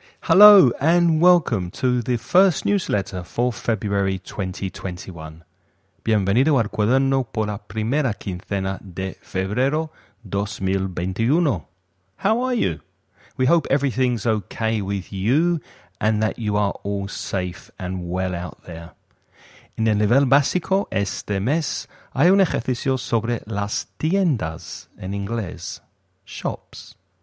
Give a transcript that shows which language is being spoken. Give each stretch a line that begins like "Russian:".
English: Hello and welcome to the first newsletter for February 2021.
Spanish: Bienvenido al cuaderno por la primera quincena de febrero 2021.
English: How are you? We hope everything's okay with you and that you are all safe and well out there.
Spanish: En el nivel básico, este mes hay un ejercicio sobre las tiendas en inglés, shops.